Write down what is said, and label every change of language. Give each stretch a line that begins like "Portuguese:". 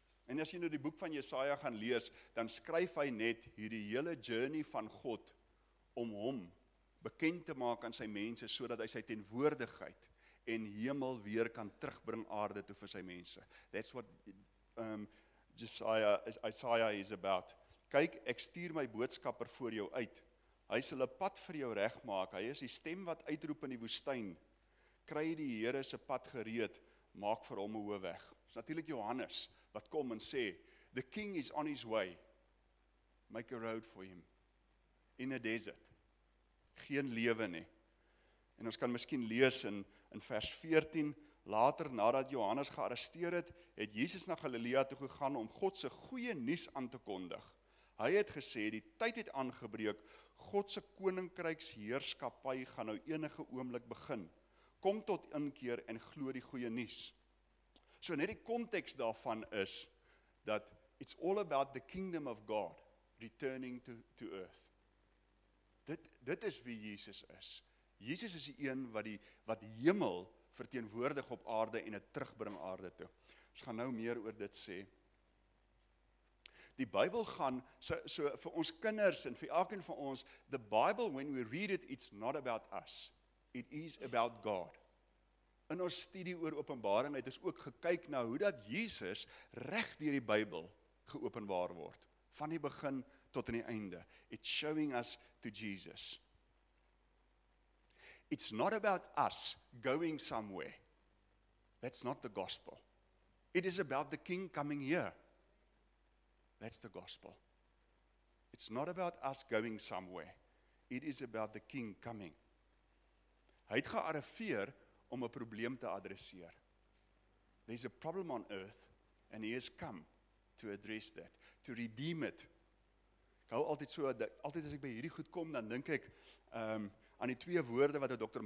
Afrikaans: En as jy nou die boek van Jesaja gaan lees, dan skryf hy net hierdie hele journey van God om hom bekend te maak aan sy mense, sodat hy sy teenwoordigheid en hemel weer kan terugbring aarde toe vir sy mense.
English: That's what Isaiah is about.
Afrikaans: Kyk, ek stuur my boodskapper voor jou uit. Hy sal 'n pad vir jou regmaak. Hy is die stem wat uitroep in die woestyn. Kry die Here se pad gereed, maak vir hom 'n hoë weg. Dis natuurlik Johannes wat kom en sê,
English: "The king is on his way. Make a road for him in a desert."
Afrikaans: Geen lewe nie. En ons kan miskien lees in vers 14, later nadat Johannes gearresteer het, het Jesus na Galilea toe gegaan om God se goeie nuus aan te kondig. Hy het gesê, die tyd het aangebreek, God se koninkryksheerskappy gaan nou enige oomblik begin. Kom tot inkeer en glo die goeie nuus. So net die konteks daarvan is, dat
English: it's all about the kingdom of God returning to earth.
Afrikaans: Dit is wie Jesus is. Jesus is die een wat hemel verteenwoordig op aarde en het terugbring aarde toe. Ons gaan nou meer oor dit sê. Die Bybel gaan, so vir ons kinders en vir elkeen van ons,
English: the Bible, when we read it, it's not about us. It is about God.
Afrikaans: in ons studie oor Openbaring het ons ook gekyk na hoe dat Jesus reg deur die Bybel geopenbaar word, van die begin tot in die einde.
English: It's showing us to Jesus. It's not about us going somewhere. That's not the gospel. It is about the king coming here. That's the gospel. It's not about us going somewhere. It is about the king coming.
Afrikaans: Hy het gearriveer om 'n probleem te adresseer.
English: There's a problem on earth and he has come to address that, to redeem it.
Afrikaans: Ek hou altyd so, dat, altyd as ek by hierdie goed kom, dan dink ek aan die twee woorde wat Dr.